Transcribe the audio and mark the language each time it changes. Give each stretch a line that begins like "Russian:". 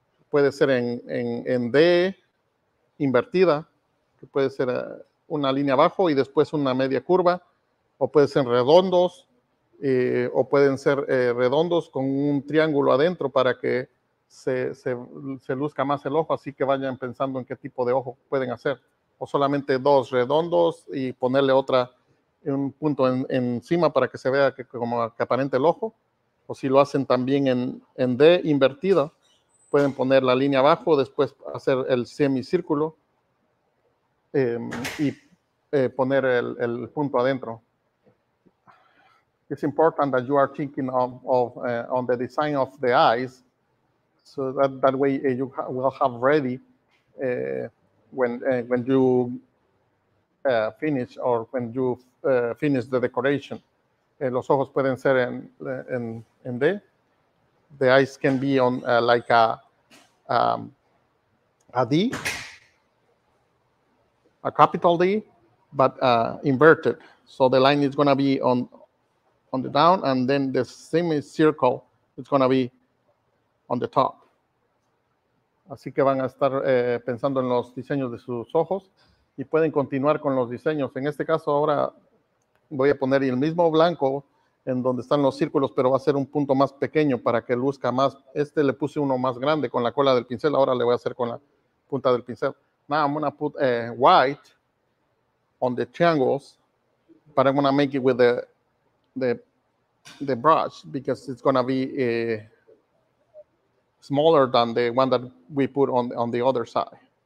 Spanish: Puede ser en D, invertida, que puede ser una línea abajo y después una media curva, o puede ser redondos, o pueden ser redondos con un triángulo adentro para que se luzca más el ojo, así que vayan pensando en qué tipo de ojo pueden hacer, o solamente dos redondos y ponerle otra un punto encima para que se vea que como que aparente el ojo, o si lo hacen también en D invertida, pueden poner la línea abajo, después hacer el semicírculo y poner el punto adentro.
English: It's important that you are thinking of on the design of the eyes, so that way you will have ready when you finish or when you finish the decoration.
Spanish: Los ojos pueden ser en D.
English: The eyes can be on like a D, a capital D, but inverted. So the line is going to be on the down, and then the semicircle is going to be on the top.
Spanish: Así que van a estar pensando en los diseños de sus ojos y pueden continuar con los diseños. En este caso ahora voy a poner el mismo blanco en donde están los círculos, pero va a ser un punto más pequeño para que luzca más. Este le puse uno más grande con la cola del pincel. Ahora le voy a hacer con la punta del pincel.
English: Now I'm going to put white on the triangles, but I'm going to make it with the brush because it's going to be smaller than the one that we put on the other side.